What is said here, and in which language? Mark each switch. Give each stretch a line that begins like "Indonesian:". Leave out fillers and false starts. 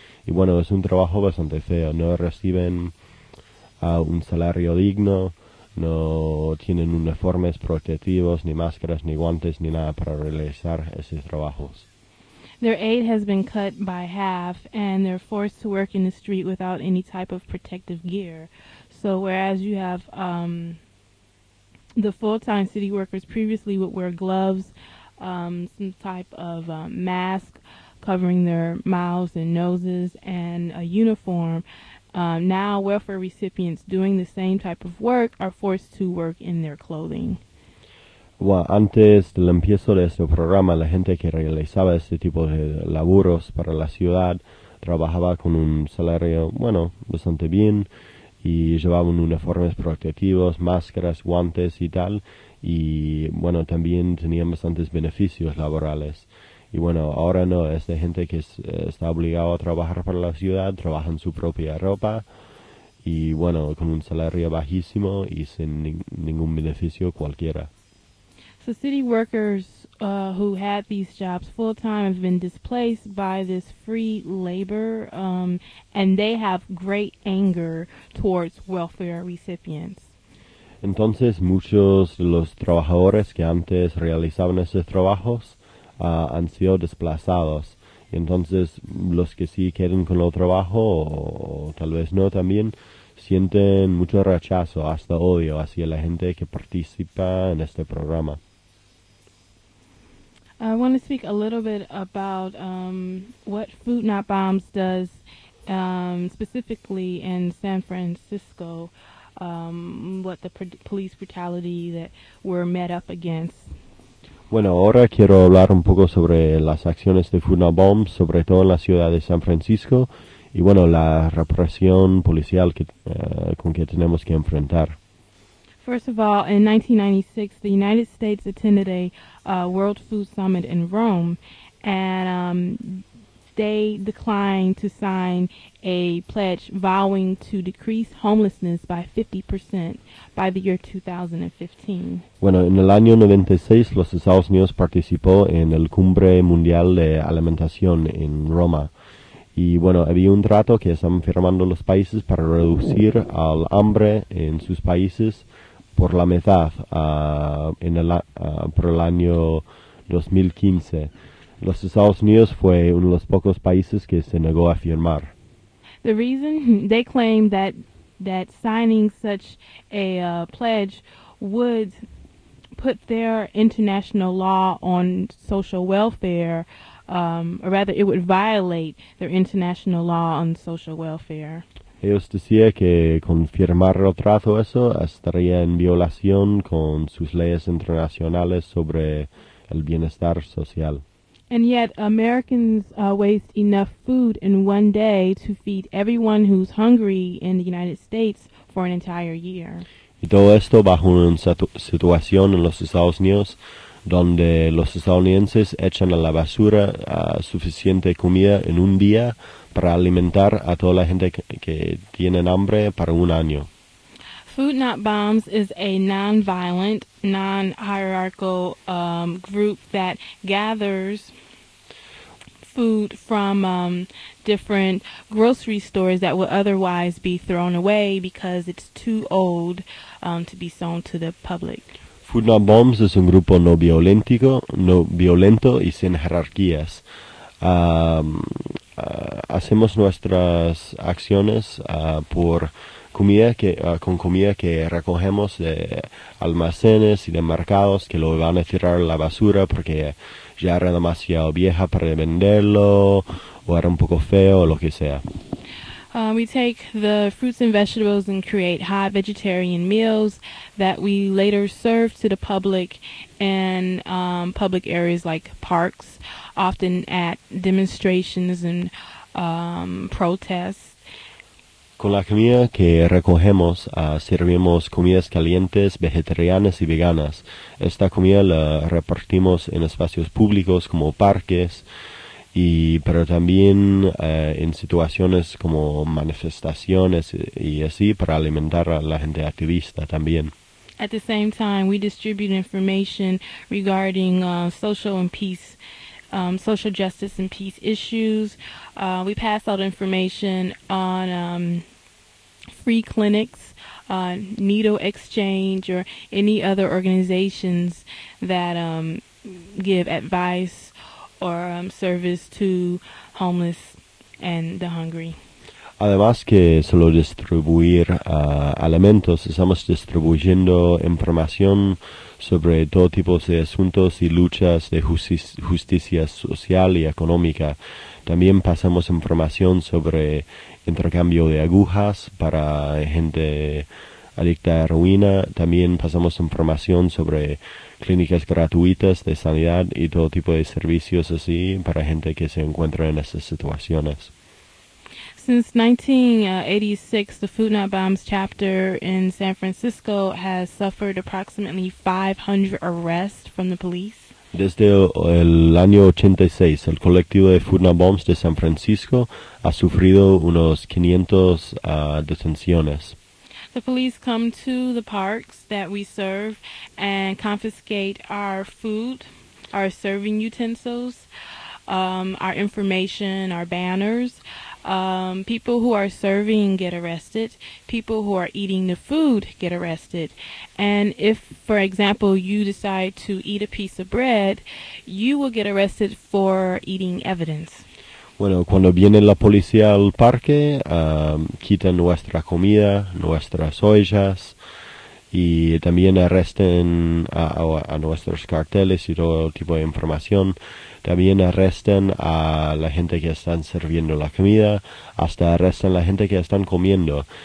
Spanish: Y bueno, es un trabajo bastante feo. No reciben un salario digno, no tienen uniformes protectivos, ni máscaras, ni guantes, ni nada para realizar esos trabajos.
English: Their aid has been cut by half, and they're forced to work in the street without any type of protective gear. So whereas you have the full-time city workers previously would wear gloves, some type of mask covering their mouths and noses, and a uniform, now welfare recipients doing the same type of work are forced to work in their clothing.
Spanish: Bueno, antes del empiezo de este programa, la gente que realizaba este tipo de laburos para la ciudad trabajaba con un salario, bueno, bastante bien, y llevaban uniformes protectivos, máscaras, guantes y tal, y bueno, también tenían bastantes beneficios laborales. Y bueno, ahora no, esta gente que está obligada a trabajar para la ciudad trabaja en su propia ropa, y bueno, con un salario bajísimo y sin ningún beneficio cualquiera.
English: So city workers who had these jobs full-time have been displaced by this free labor, and they have great anger towards welfare recipients.
Spanish: Entonces, muchos de los trabajadores que antes realizaban esos trabajos han sido desplazados. Y entonces, los que sí quedan con el trabajo, o tal vez no también, sienten mucho rechazo, hasta odio hacia la gente que participa en este programa.
English: I want to speak a little bit about what Food Not Bombs does specifically in San Francisco, what the police brutality that we're met up against.
Spanish: Bueno, ahora quiero hablar un poco sobre las acciones de Food Not Bombs, sobre todo en la ciudad de San Francisco, y bueno, la represión policial que, con que tenemos que enfrentar.
English: First of all, in 1996, the United States attended a World Food Summit in Rome, and they declined to sign a pledge vowing to decrease homelessness by 50% by the year 2015.
Spanish: Bueno, en el año 96, los Estados Unidos participó en el Cumbre Mundial de Alimentación en Roma. Y bueno, había un trato que están firmando los países para reducir al hambre en sus países por la mitad por el año 2015. Los Estados Unidos fue uno de los pocos países que se negó a firmar.
English: The reason they claim that signing such a pledge would put their international law on social welfare, or rather it would violate their international law on social welfare.
Spanish: Ellos decían que con firmar el trato eso estaría en violación con sus leyes internacionales sobre el bienestar social.
English: And yet Americans waste enough food in one day to feed everyone who's hungry in the United States for an entire year.
Spanish: Y todo esto bajo una situación en los Estados Unidos donde los estadounidenses echan a la basura suficiente comida en un día para alimentar a toda la gente que tiene hambre para un año.
English: Food Not Bombs is a non-violent, non-hierarchical group that gathers food from different grocery stores that would otherwise be thrown away because it's too old to be sold to the public.
Spanish: Food Not Bombs es un grupo no violento y sin jerarquías. Hacemos nuestras acciones con comida que recogemos de almacenes y de mercados que lo van a tirar a la basura porque ya era demasiado vieja para venderlo o era un poco feo o lo que sea.
English: We take the fruits and vegetables and create high vegetarian meals that we later serve to the public in public areas like parks, often at demonstrations and protests.
Spanish: Con la comida que recogemos, servimos comidas calientes, vegetarianas y veganas. Esta comida la repartimos en espacios públicos como parques, pero también en situaciones como manifestaciones y así para alimentar a la gente activista también.
English: At the same time, we distribute information regarding social and peace, social justice and peace issues. We pass out information on free clinics, needle exchange, or any other organizations that give advice or service to homeless and the hungry.
Spanish: Además que solo distribuir alimentos, estamos distribuyendo información sobre todo tipo de asuntos y luchas de justicia social y económica. También pasamos información sobre intercambio de agujas para gente adicta a heroína. También pasamos información sobre clínicas gratuitas de sanidad y todo tipo de servicios así para gente que se encuentra en esas situaciones.
English: Since 1986, the Food Not Bombs chapter in San Francisco has suffered approximately 500 arrests from the police.
Spanish: Desde el año 86, el colectivo de Food Not Bombs de San Francisco ha sufrido unos 500 detenciones.
English: The police come to the parks that we serve and confiscate our food, our serving utensils, our information, our banners. People who are serving get arrested. People who are eating the food get arrested. And if, for example, you decide to eat a piece of bread, you will get arrested for eating evidence.
Spanish: Bueno, cuando viene la policía al parque, quitan nuestra comida, nuestras ollas, y también arrestan a nuestros carteles y todo tipo de información. También arrestan a la gente que están sirviendo la comida, hasta arrestan a la gente que están comiendo.